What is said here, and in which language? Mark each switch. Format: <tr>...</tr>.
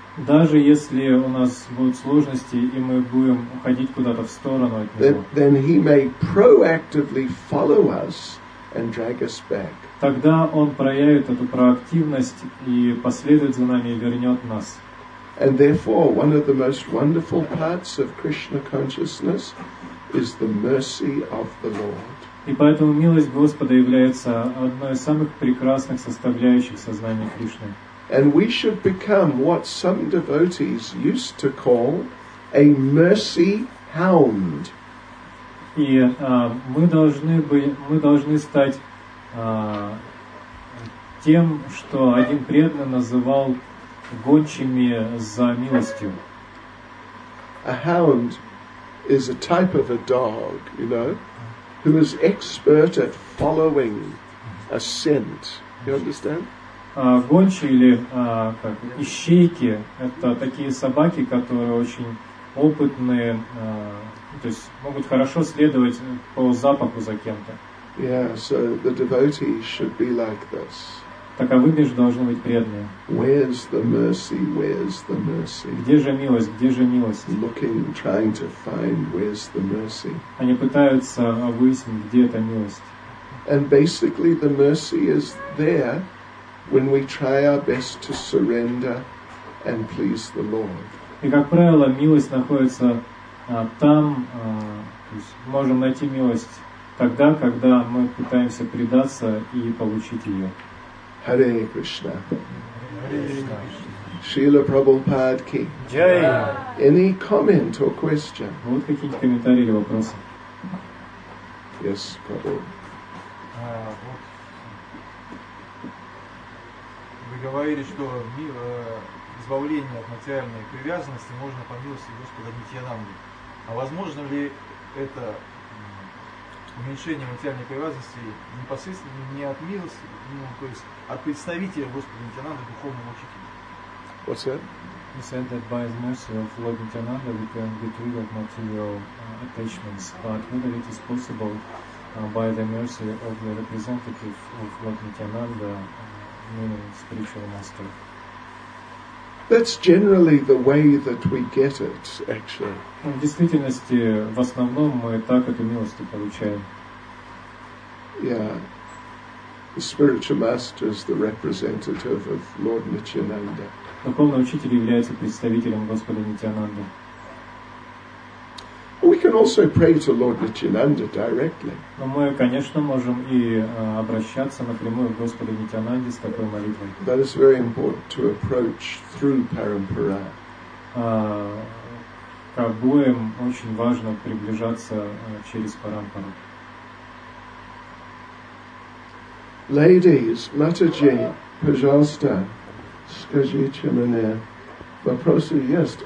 <ru>Даже если у нас будут сложности и мы будем уходить куда-то в сторону от него,</ru> <en>then he may proactively follow us and drag us back.</en> <ru>Тогда он проявит эту проактивность и последует за нами и вернет нас.</ru> <en>And therefore, one of the most wonderful parts of Krishna consciousness is the mercy of the Lord.</en> <ru>И поэтому милость Господа является одной из самых прекрасных составляющих сознания Кришны.</ru> <en>And we should become what some devotees used to call a mercy hound.</en> <ru>И мы должны стать тем, что один преданный называл гончими за милостью.</ru> <en>A hound is a type of a dog, you know, who is expert at following a scent. You understand?</en> <ru>Гончие или как, ищейки — это такие собаки, которые очень опытные, то есть могут хорошо следовать по запаху за кем-то.</ru> <en>Yeah, so the devotee should be like this.</en> <ru>Таковыми же должны быть преданные.</ru> <en>Where's the mercy? Where's the mercy?</en> <ru>Где же милость? Где же милость?</ru> <en>Looking, trying to find, where's the mercy?</en> <ru>Они пытаются выяснить, где эта милость.</ru> <en>And basically the mercy is there when we try our best to surrender and please the Lord.</en> <ru>И, как правило, милость находится там, то есть можем найти милость тогда, когда мы пытаемся предаться и получить ее.</ru> <sa>Hare Krishna. Srila Prabhupada ki. Jai.</sa> <en>Any comment or question?</en> <ru>Вот какие-нибудь комментарии или вопросы?</ru> <en>Yes, Prabhu.</en> <ru>Вы говорили, что избавление от материальной привязанности можно по милости Господа Нитьянанды. А возможно ли это уменьшение материальной привязанности непосредственно не от милости, ну, то есть от представителя Господа Нитьянанды, духовного учителя?</ru> <en>What's that? He said that by the mercy of Lord Nityananda we can get rid of material attachments, but whether it is possible by the mercy of the representative of Lord Nityananda, meaning spiritual master. That's generally the way that we get it, actually.</en> <ru>В действительности, в основном, мы так эту милость получаем.</ru> <en>Yeah. The spiritual master is the representative of Lord Nityananda.</en> <ru>Духовный учитель является представителем Господа Нитьянанды.</ru> <en>We can also pray to Lord Nityananda directly.</en> <ru>Но мы, конечно, можем и обращаться напрямую к Господу Нитьянанде с такой молитвой.</ru> <en>That is very important to approach through Parampara.</en> <ru>К обоим очень важно приближаться через Парампару. Ladies, Mataji, пожалуйста, скажите мне вопросы есть.</ru>